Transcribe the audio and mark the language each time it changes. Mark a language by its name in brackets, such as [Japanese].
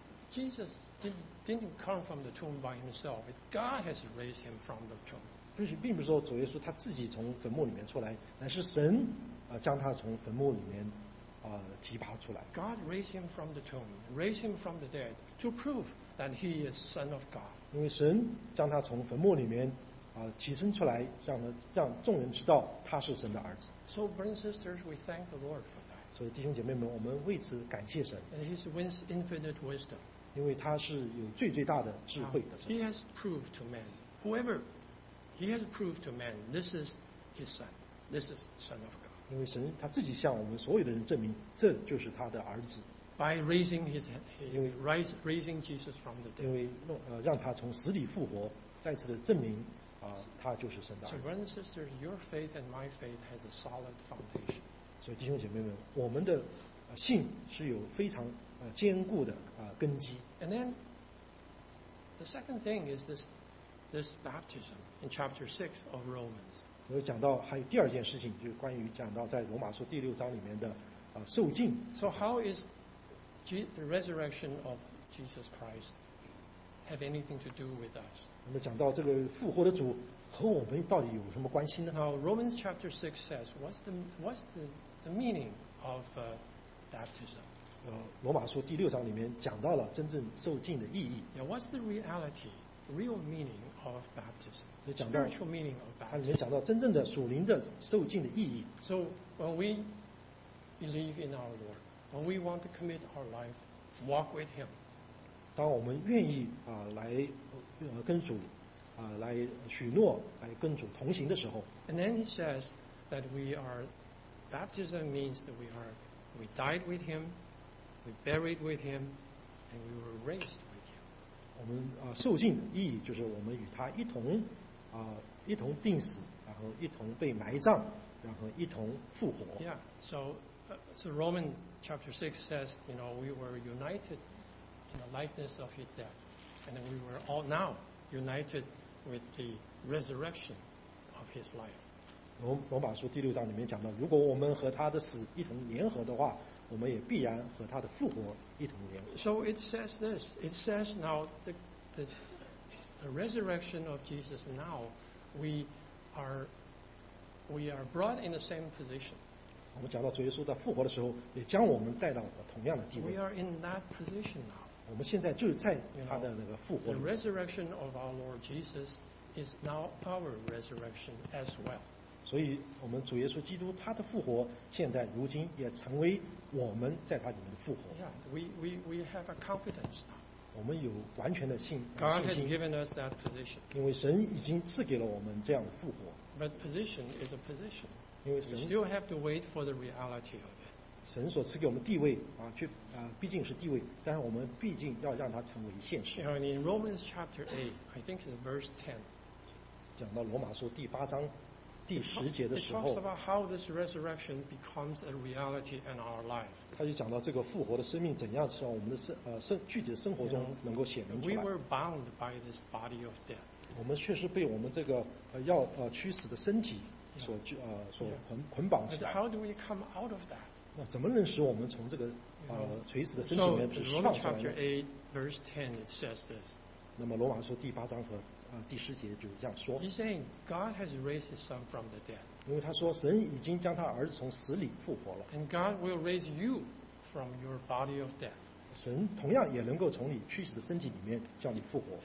[English] Jesus didn't come from the tomb by himself. God has raised him from the tomb. [Chinese] 并不是说主耶稣他自己从坟墓里面出来，乃是神将他从坟墓里面提拔出来。 [English] God raised him from the tomb, raised him from the dead to prove that he is Son of God. [Chinese] 因为神将他从坟墓里面提升出来，让众人知道他是神的儿子。 [English] So, brothers and sisters, we thank the Lord for that. [Chinese] 所以弟兄姐妹们，我们为此感谢神。 [English] And he wins infinite wisdom. [Chinese] 因为他是有最最大的智慧的神。 [English] He has proved to man, whoever, he has proved to man, this is his son, this is son of God. [Chinese] 因为神他自己向我们所有的人证明，这就是他的儿子。 [English] By raising his raising Jesus from the dead. [Chinese] 因为让他从死里复活，再次的证明。他就是神的儿子。 [English] So, brothers and sisters, your faith and my faith has a solid foundation. [Chinese] 所以弟兄姐妹们，我们的信是有非常坚固的根基。 [English] And then the second thing is this baptism in chapter 6 of Romans. [Chinese] 所以讲到还有第二件事情，就是关于讲到在罗马书第六章里面的受浸。 [English] So how is the resurrection of Jesus Christ? Have anything to do with us? [Chinese] 那么讲到这个复活的主和我们到底有什么关系呢？ [English] Now Romans chapter 6 says, what's the meaning of baptism? [Chinese] 罗马书第六章里面讲到了真正受浸的意义。 [English] Now what's the reality, real meaning of baptism? Spiritual meaning of baptism. [Chinese] 里面讲到真正的属灵的受浸的意义。 [English] So when we believe in our Lord, when we want to commit our life, walk with Him. [Chinese] 当我们愿意来跟主来许诺来跟主同行的时候 [English] ，And then he says that we are baptism means that we died with him, we buried with him, and we were raised with him. [Chinese] 我们受浸的意义就是我们与他一同一同钉死，然后一同被埋葬，然后一同复活。 [English] Yeah, so Roman chapter 6 says, you know, we were united. In the likeness of his death, and we were all now united with the resurrection of his life. [Chinese] 罗马书第六章里面讲到，如果我们和他的死一同联合的话，我们也必然和他的复活一同联合。 [English] So it says this. It says now the resurrection of Jesus. Now we are brought in the same position. [Chinese] 我们讲到主耶稣的复活的时候，也将我们带到同样的地位。 [English] We are in that position now. [Chinese] 我们现在就在他的那个复活里。 [English] The resurrection of our Lord Jesus is now our resurrection as well. [Chinese] 所以我们主耶稣基督他的复活现在如今也成为我们在他里面的复活。 [English] Yeah, we have a confidence now. [Chinese] 我们有完全的信心。 [English] God has given us that position. [Chinese] 因为神已经赐给了我们这样的复活。 [English] But position is a position. [Chinese] 因为神。 [English] We still have to wait for the reality of it. [Chinese] 神所赐给我们地位毕竟是地位，但是我们毕竟要让它成为现实。 [English] You know, in Romans chapter 8, I think it's verse 10, [Chinese] 讲到罗马书第八章第十节的时候 [English] it talks about how this resurrection becomes a reality in our life. [Chinese] 他就讲到这个复活的生命怎样从我们的具体的生活中能够显明出来。 [English] You know, we were bound by this body of death. [Chinese] 我们确实被我们这个驱死的身体所捆绑起来。 [English] But how do we come out of that? [Chinese] 那怎么能使我们从这个垂死的身体里面释放出来呢？ [English] So, Romans chapter 8, verse 10, it says this. [Chinese] 那么罗马书第八章和第十节就这样说。 [English] He's saying God has raised His Son from the dead. [Chinese] 因为他说神已经将他儿子从死里复活了。 [English] And God will raise you from your body of death. [Chinese] 神同样也能够从你去死的身体里面叫你复活。